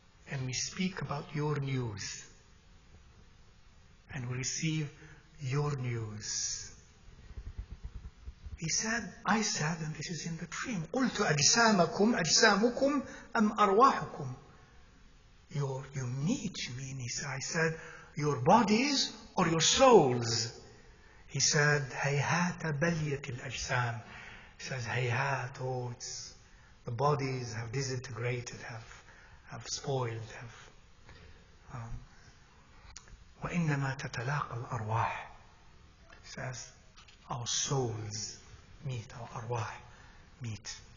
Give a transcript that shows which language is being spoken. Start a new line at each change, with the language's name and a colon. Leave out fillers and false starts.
English: And we speak about your news. And we receive your news. He said, I said, and this is in the dream,
Arabic: قُلْتُ أَجْسَامَكُمْ أَجْسَامُكُمْ أَمْ أَرْوَاحُكُمْ.
English: You meet me, and he said, I said, your bodies or your souls? He said,
Arabic: هَيْهَاتَ بَلْيَةِ الْأَجْسَامِ.
English: He says, هَيْهَاتَ, oh, it's, the bodies have disintegrated, have spoiled, have...
Arabic: وَإِنَّمَا تَتَلَاقَ الْأَرْوَاحِ.
English: He says, our souls meet, our arwah meet.